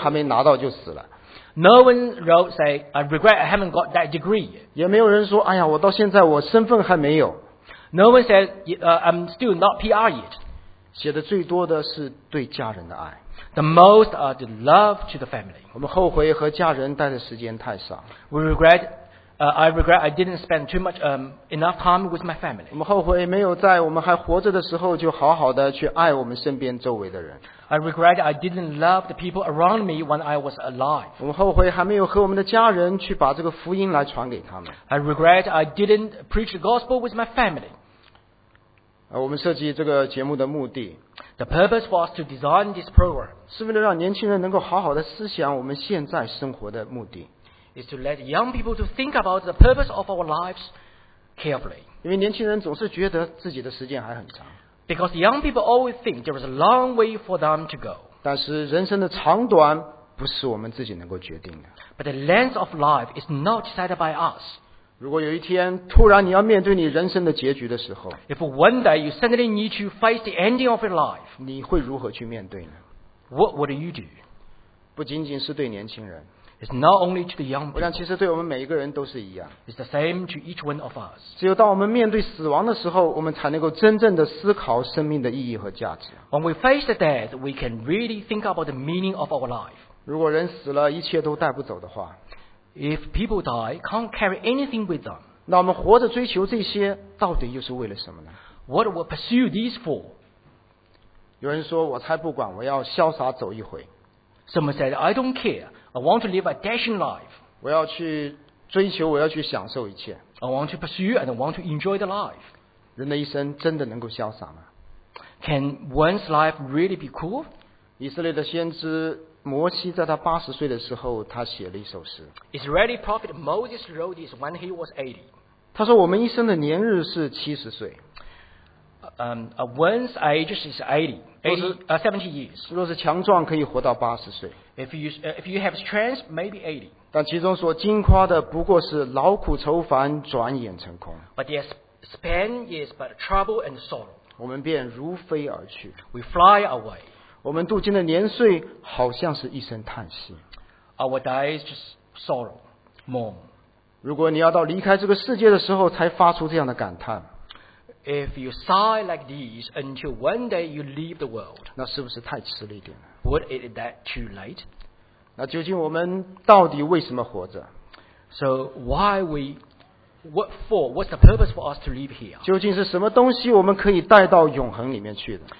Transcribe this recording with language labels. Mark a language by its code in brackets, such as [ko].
[zh] 没有人在那里说，哎呀，我后悔我这个学位还没拿到就死了。 [en] No one wrote say, I regret I haven't got that degree. [zh] 也没有人说，哎呀，我到现在我身份还没有。 [en] No one said, I'm still not PR yet. [zh] 写的最多的是对家人的爱。 [en] The most are the love to the family. [zh] 我们后悔和家人待的时间太少。 [en] I regret I didn't spend too much enough time with my family. [zh] 我们后悔没有在我们还活着的时候就好好的去爱我们身边周围的人。 [en] I regret I didn't love the people around me when I was alive. [zh] 我们后悔还没有和我们的家人去把这个福音来传给他们。 [en] I regret I didn't preach the gospel with my family. [zh] 我们设计这个节目的目的 [en] The purpose was to design this program. [zh] 是为了让年轻人能够好好的思想我们现在生活的目的。 [en] Is to let young people to think about the purpose of our lives carefully. [zh] 因为年轻人总是觉得自己的时间还很长。 [en] Because young people always think there is a long way for them to go. [zh] 但是人生的长短不是我们自己能够决定的。 [en] But the length of life is not decided by us. [zh] 如果有一天突然你要面对你人生的结局的时候, [en] if one day you suddenly need to face the ending of your life, [zh] 你会如何去面对呢? [en] What would you do? [zh] 不仅仅是对年轻人, [en] it's not only to the young people. [zh] 我想其实对我们每一个人都是一样, [en] it's the same to each one of us. [zh] 只有当我们面对死亡的时候, 我们才能够真正的思考生命的意义和价值。 [en] When we face the death, we can really think about the meaning of our life. [zh] 如果人死了, 一切都带不走的话, [en] if people die, can't carry anything with them. [zh] 那我们活着追求这些, 到底又是为了什么呢? [en] What will pursue these for? [zh] 有人说, 我才不管, 我要潇洒走一回。 [en] Someone said, I don't care. I want to live a dashing life. [zh] 我要去追求, 我要去享受一切。 [en] I want to pursue and I want to enjoy the life. [zh] 人的一生真的能够潇洒吗? [en] Can one's life really be cool? [zh] 以色列的先知, 摩西在他80岁的时候, 他写了一首诗。 [en] Israeli prophet Moses wrote this when he was 80. [zh] 他说我们一生的年日是70岁。 [en] One's age is 70 years. [zh] 若是强壮可以活到80岁。 [en] If you have strength, maybe 80. [zh] 但其中所经夸的不过是劳苦愁烦转眼成空。 [en] But the span is but trouble and sorrow. [zh] 我们便如飞而去。 [en] We fly away. [zh] 我们度今的年岁好像是一声叹息。 [en] Our days just sorrow, mourn. [zh] 如果你要到离开这个世界的时候才发出这样的感叹, [en] if you sigh like this until one day you leave the world, [zh] 那是不是太迟了一点了? [en] Would it be that too late? [zh] 那究竟我们到底为什么活着? [en] So why we, what for, what's the purpose for us to live here? [zh] 究竟是什么东西我们可以带到永恒里面去的?